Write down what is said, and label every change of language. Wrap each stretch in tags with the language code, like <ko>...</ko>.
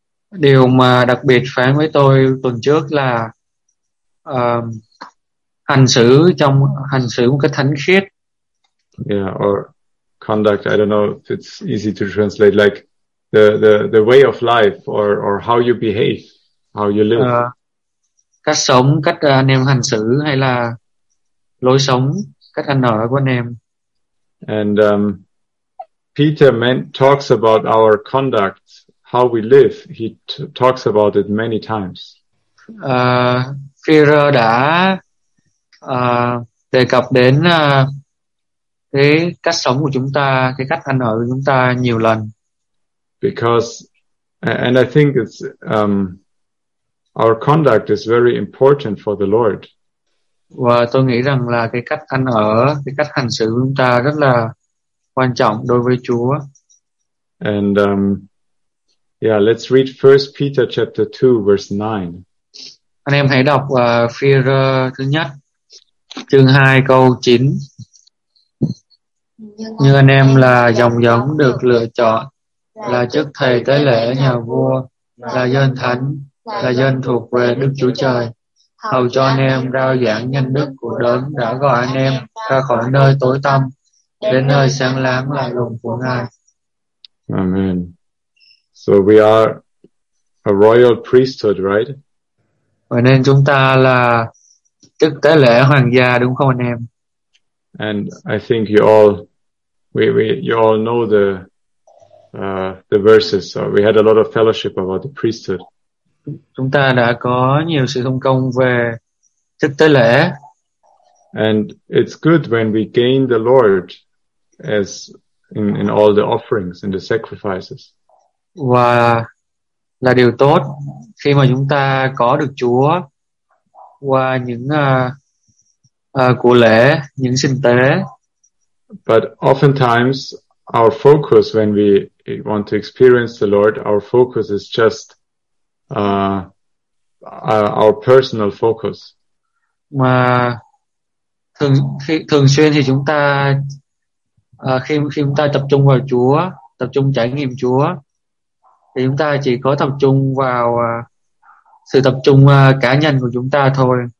<vi>Điều mà đặc biệt phán với tôi tuần trước là hành xử một cái thánh khiết.</vi> <en>Yeah, or conduct, I don't know if it's easy to translate, like the way of life or how you behave, how you live.</en> <vi>Cách sống, cách anh em hành xử hay là lối sống, cách ăn ở của anh em.</vi> <en>And Peter talks about our conduct, how we live. He talks about it many times.</en> <vi>Peter đã đề cập đến cái cách sống của chúng ta, cái cách ăn ở của chúng ta nhiều lần.</vi> <en>Because, and I think it's our conduct is very important for the Lord.</en> <vi>Và tôi nghĩ rằng là cái cách ăn ở, cái cách hành xử của chúng ta rất là quan trọng đối với Chúa.</vi> <en>And let's read 1 Peter chapter 2 verse 9.</en> <vi>Anh em hãy đọc Phi-e-rơ thứ nhất chương 2 câu 9. Như anh em là dòng giống được lựa chọn, là chức thầy tế lễ nhà vua, là dân thánh, là dân thuộc về Đức Chúa Trời, hầu cho anh em rao giảng nhân đức của Đấng đã gọi anh em ra khỏi nơi tối tăm đến nơi sáng láng lạ lùng của Ngài.</vi> <en>Amen. So we are a royal priesthood, right?</en> <vi>Vậy nên chúng ta là chức tế lễ hoàng gia, đúng không anh em?</vi> <en>And I think you all know the verses. So we had a lot of fellowship about the priesthood.</en> <vi>Chúng ta đã có nhiều sự thông công về chức tế lễ.</vi> <en>And it's good when we gain the Lord as in all the offerings and the sacrifices.</en> <vi>Và là điều tốt khi mà chúng ta có được Chúa qua những của lễ, những sinh tế.</vi> <en>But oftentimes our focus when we want to experience the Lord, our focus is just our personal focus.</en> <vi>Mà thường thường xuyên thì chúng ta khi khi chúng ta tập trung vào Chúa, tập trung trải nghiệm Chúa, thì chúng ta chỉ có tập trung vào sự tập trung cá nhân của chúng ta thôi.</vi>